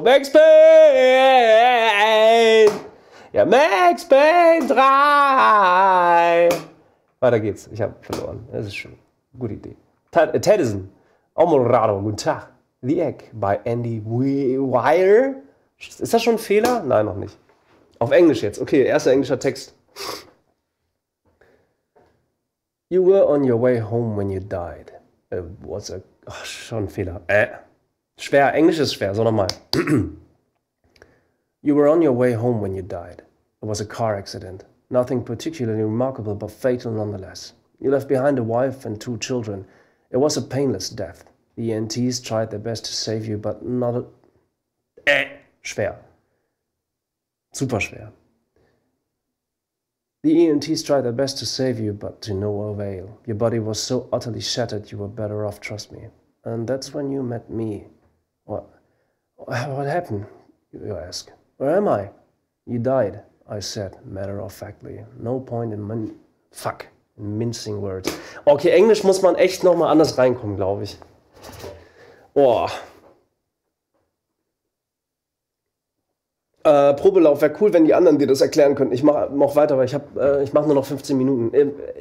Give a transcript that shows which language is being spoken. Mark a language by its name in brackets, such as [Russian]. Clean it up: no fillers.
[German] Max Payne! Ja, Max Payne 3! Weiter geht's. Ich hab verloren. Das ist schön. Gute Idee. Tedison. Omorado. Guten Tag. [English] The Egg by Andy Weir. [German] Ist das schon ein Fehler? Nein, noch nicht. Auf Englisch jetzt. Okay, erster englischer Text. [English] You were on your way home when you died. What's a... [German] Ach, schon ein Fehler. Schwer, Englisch ist schwer, so nochmal. [English] You were on your way home when you died. It was a car accident. Nothing particularly remarkable, but fatal nonetheless. You left behind a wife and two children. It was a painless death. The ENTs tried their best to save you, but not a... [German] Schwer. Super schwer. [English] The ENTs tried their best to save you, but to no avail. Your body was so utterly shattered, you were better off, trust me. And that's when you met me. What happened, you ask. Where am I? You died, I said, matter-of-factly. No point in min... Fuck. Mincing words. [German] Okay, Englisch muss man echt nochmal anders reinkommen, glaube ich. Boah. Probelauf wäre cool, wenn die anderen dir das erklären könnten. Ich mache noch weiter, weil ich mache nur noch 15 Minuten.